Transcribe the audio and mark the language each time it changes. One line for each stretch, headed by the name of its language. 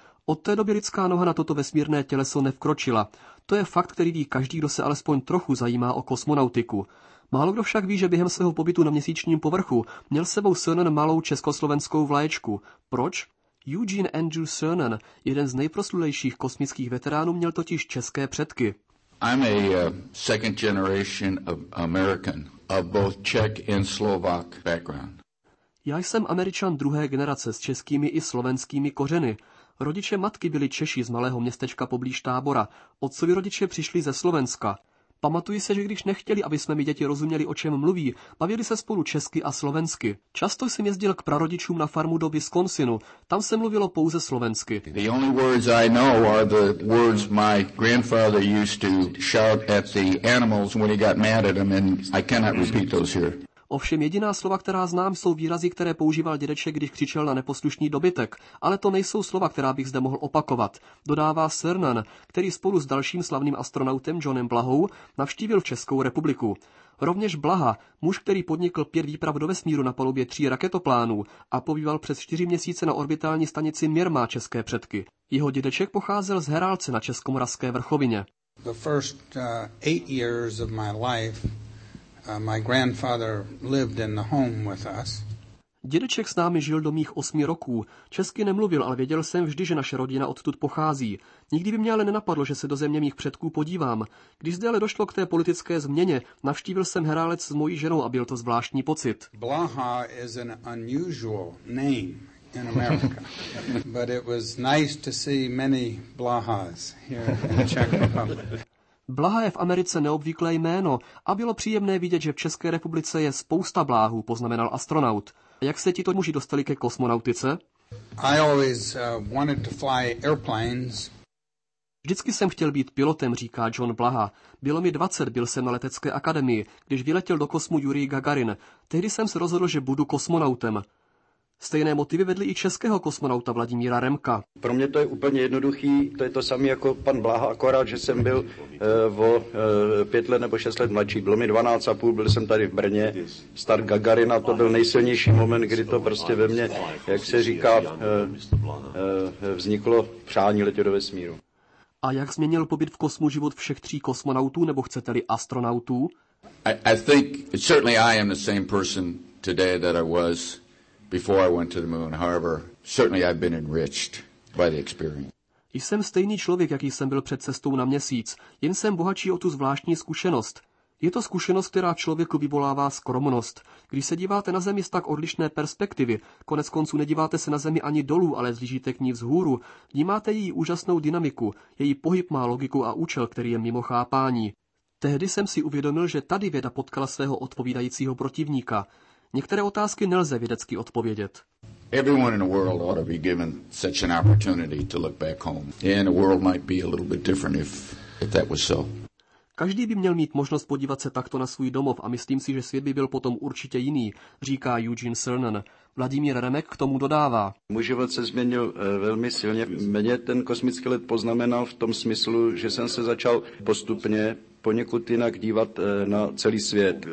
Czech: Od té doby lidská noha na toto vesmírné těleso nevkročila. To je fakt, který ví každý, kdo se alespoň trochu zajímá o kosmonautiku. Málo kdo však ví, že během svého pobytu na měsíčním povrchu měl s sebou Cernan malou československou vlaječku. Proč? Eugene Andrew Cernan, jeden z nejproslulejších kosmických veteránů, měl totiž české předky.
English: I'm a second generation of American, of both Czech and Slovak background.
Czech: Já jsem Američan 2. generace s českými i slovenskými kořeny. Rodiče matky byli Češi z malého městečka poblíž Tábora. Otcovi rodiče přišli ze Slovenska. Pamatuji se, že když nechtěli, aby jsme mi děti rozuměli, o čem mluví, bavili se spolu česky a slovensky. Často jsem jezdil k prarodičům na farmu do Wisconsinu. Tam se mluvilo pouze slovensky.
English: The only words I know are the words my grandfather used to shout at the animals when he got mad at them, and I cannot repeat those here.
Czech: Ovšem jediná slova, která znám, jsou výrazy, které používal dědeček, když křičel na neposlušný dobytek. Ale to nejsou slova, která bych zde mohl opakovat. Dodává Cernan, který spolu s dalším slavným astronautem Johnem Blahou navštívil Českou republiku. Rovněž Blaha, muž, který podnikl 5 výprav do vesmíru na palubě 3 raketoplánů a pobýval přes 4 měsíce na orbitální stanici Mir, má české předky. Jeho dědeček pocházel z Herálce na Českomoravské vrchovině.
English: The first, 8 years of my life. My grandfather lived in the home with us.
Czech: Dědeček s námi žil do mých 8 roků. Česky nemluvil, ale věděl jsem vždy, že naše rodina odtud pochází. Nikdy by mě ale nenapadlo, že se do země mých předků podívám. Když zde ale došlo k té politické změně, navštívil jsem Herálec s mojí ženou a byl to zvláštní pocit.
English: Blaha is an unusual name in America. But it was nice to see many Blahas here in the Czech Republic.
Czech: Blaha je v Americe neobvyklé jméno a bylo příjemné vidět, že v České republice je spousta bláhů, poznamenal astronaut. Jak se tito muži dostali ke kosmonautice?
English: I always wanted to fly airplanes.
Czech: Vždycky jsem chtěl být pilotem, říká John Blaha. Bylo mi 20, byl jsem na letecké akademii, když vyletěl do kosmu Jurij Gagarin. Tehdy jsem se rozhodl, že budu kosmonautem. Stejné motivy vedly i českého kosmonauta Vladimíra Remka. Pro mě to je úplně jednoduchý, to je to samý jako pan Blaha, akorát, že jsem byl o 5 nebo 6 let mladší. Bylo mi 12,5, byl jsem tady v Brně, start Gagarina, to byl nejsilnější moment, kdy to prostě ve mně, jak se říká, vzniklo přání letět do vesmíru. A jak změnil pobyt v kosmu život všech 3 kosmonautů, nebo chcete-li astronautů?
English: I think, certainly I am the same person today that I was. Before I went to the moon, however, certainly I've been enriched by the experience.
Czech: Jsem stejný člověk, jaký jsem byl před cestou na měsíc, jen jsem bohatší o tu zvláštní zkušenost. Je to zkušenost, která člověku vyvolává skromnost. Když se díváte na Zemi z tak odlišné perspektivy, konec konců nedíváte se na Zemi ani dolů, ale zlížíte k ní vzhůru, vnímáte její úžasnou dynamiku, její pohyb má logiku a účel, který je mimo chápání. Tehdy jsem si uvědomil, že tady věda potkala svého odpovídajícího protivníka. Některé otázky nelze vědecky odpovědět.
English: Everyone in the world ought to be given such an opportunity to look back home. And the world might be a little bit different if that was so.
Czech: Každý by měl mít možnost podívat se takto na svůj domov a myslím si, že svět by byl potom určitě jiný, říká Eugene Cernan. Vladimír Remek k tomu dodává. Můj život se změnil velmi silně. Mě ten kosmický let poznamenal v tom smyslu, že jsem se začal postupně poněkud jinak dívat na celý svět.